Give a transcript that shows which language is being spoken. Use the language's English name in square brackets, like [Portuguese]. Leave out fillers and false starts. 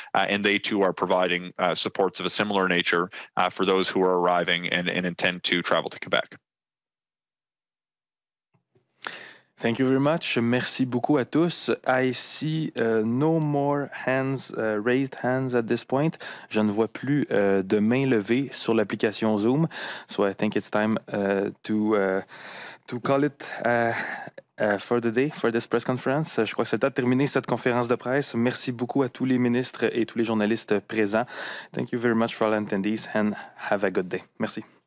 [English] And they too are providing supports of a similar nature for those who are arriving and intend to travel to Quebec. Thank you very much. [French] Merci beaucoup à tous. [English] I see no more hands, raised hands at this point. [French] Je ne vois plus de mains levées sur l'application Zoom. [English] So I think it's time to call it for the day, for this press conference. [French] Je crois que c'est le temps de terminer cette conférence de presse. Merci beaucoup à tous les ministres et tous les journalistes présents. [English] Thank you very much for all attendees and have a good day. [French] Merci.